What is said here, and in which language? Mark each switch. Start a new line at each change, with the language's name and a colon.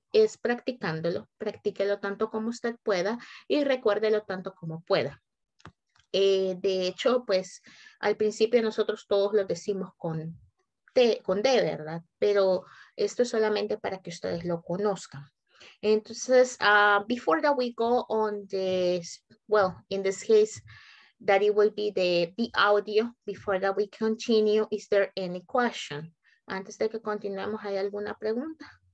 Spanish: Es practicándolo, practíquelo tanto como usted pueda y recuérdelo tanto como pueda. De hecho, pues, al principio nosotros todos lo decimos con T, con D, ¿verdad? Pero esto es solamente para que ustedes lo conozcan.
English: Entonces, before that we go on this, well, in this case, that it will be the audio, before that we continue, is there any question?
Spanish: Antes de que continuemos, ¿hay alguna pregunta?